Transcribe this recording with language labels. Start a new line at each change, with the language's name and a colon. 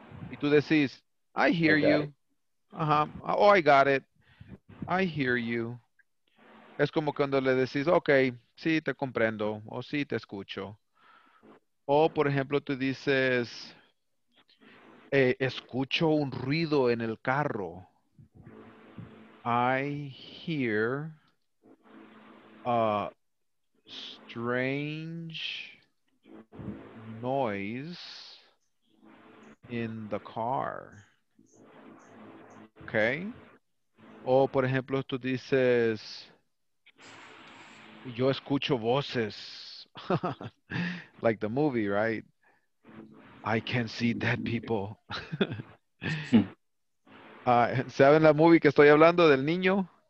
Spanish: Y tú decís,
English: I hear you. Uh-huh. Oh, I got it. I hear you.
Spanish: Es como cuando le decís, ok, sí, te comprendo. O sí, te escucho. O, por ejemplo, tú dices, escucho un ruido en el carro.
English: I hear a strange noise in the car. Okay.
Spanish: O, por ejemplo, tú dices, yo escucho voces.
English: Like the movie, right? I can see dead people.
Spanish: ¿Saben la movie que estoy hablando del niño?